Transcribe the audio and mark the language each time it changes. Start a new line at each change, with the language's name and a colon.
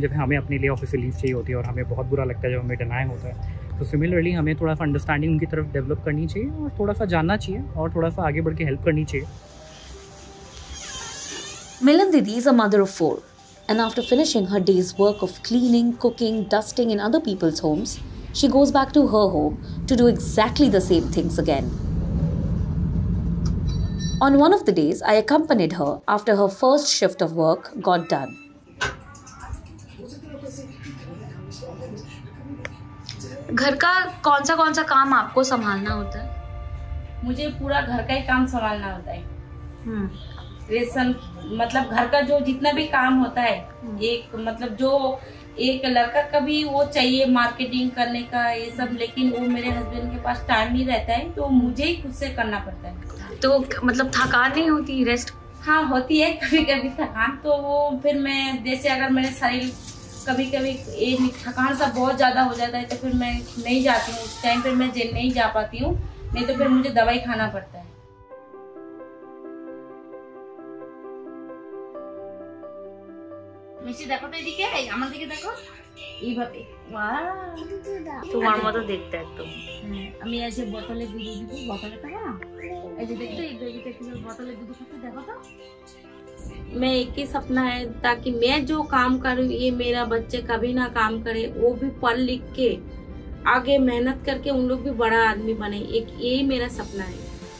Hindi: जब हमें अपने लिए ऑफिस से लीव चाहिए होती है और हमें बहुत बुरा लगता है जब हमें डिनाई होता है, तो सिमिलरली हमें थोड़ा सा अंडरस्टैंडिंग उनकी तरफ डेवलप करनी चाहिए और थोड़ा सा जानना चाहिए और थोड़ा सा आगे बढ़ के हेल्प करनी चाहिए।
English: Milan Didi is a mother of four and after finishing her day's work of cleaning, cooking, dusting in other people's homes, she goes back to her home to do exactly the same things again. On one of the days, I accompanied her after her first shift of work got done.
Hindi: घर का कौन सा काम आपको संभालना होता है? मुझे पूरा घर का ही काम संभालना होता है। रेशन मतलब घर का जो जितना भी काम होता है, एक मतलब जो एक लड़का का भी वो चाहिए मार्केटिंग करने का ये सब, लेकिन वो मेरे हस्बैंड के पास टाइम नहीं रहता है तो मुझे ही खुद से करना पड़ता है। तो मतलब थकान नहीं होती रेस्ट? हाँ होती है कभी कभी थकान, तो वो फिर मैं जैसे अगर मेरे शरीर कभी कभी ये थकान सा बहुत ज्यादा हो जाता है तो फिर मैं नहीं जाती हूँ उस टाइम, फिर मैं जिम नहीं जा पाती हूँ, नहीं तो फिर मुझे दवाई खाना पड़ता है।
Bangla: মিছি দেখো তো এদিকে আমার দিকে দেখো এইভাবে ওয়া তোমার মতো দেখতে একদম। আমি এই যে বোতলে দুধ দিব, বোতলে তো না এই যে দেখতে এই বেবিতে কি বোতলে দুধ সাথে দেখো তো।
Hindi: मैं एक ही सपना है ताकि मैं जो काम करूं ये मेरा बच्चे कभी ना काम करे, वो भी पढ़ लिख के आगे मेहनत करके उन लोग भी बड़ा आदमी बने, एक यही मेरा सपना है।